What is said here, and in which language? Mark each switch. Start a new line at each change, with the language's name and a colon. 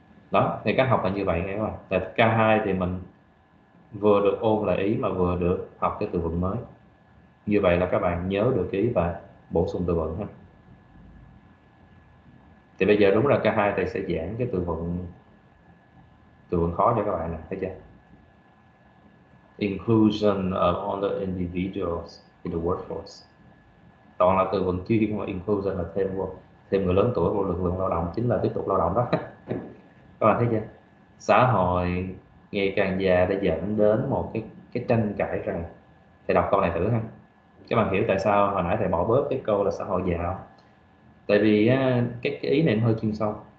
Vietnamese: Đó, thì cách học là như vậy nghe các bạn. Tại K2 thì mình vừa được ôn lại ý mà vừa được học cái từ vựng mới. Như vậy là các bạn nhớ được cái ý và bổ sung từ vựng ha. Thì bây giờ đúng là K2 thầy sẽ giảng cái từ vựng khó cho các bạn nè, thấy chưa?
English: Inclusion of all the individuals in the workforce.
Vietnamese: Toàn là từ vựng chuyên mà inclusion là thêm vô, thêm người lớn tuổi vô lực lượng lao động, chính là tiếp tục lao động đó. Các bạn thấy chưa? Xã hội ngày càng già đã dẫn đến một cái tranh cãi rằng, thầy đọc câu này thử ha. Các bạn hiểu tại sao hồi nãy thầy bỏ bớt cái câu là xã hội già không? Tại vì cái ý này nó hơi chuyên sâu.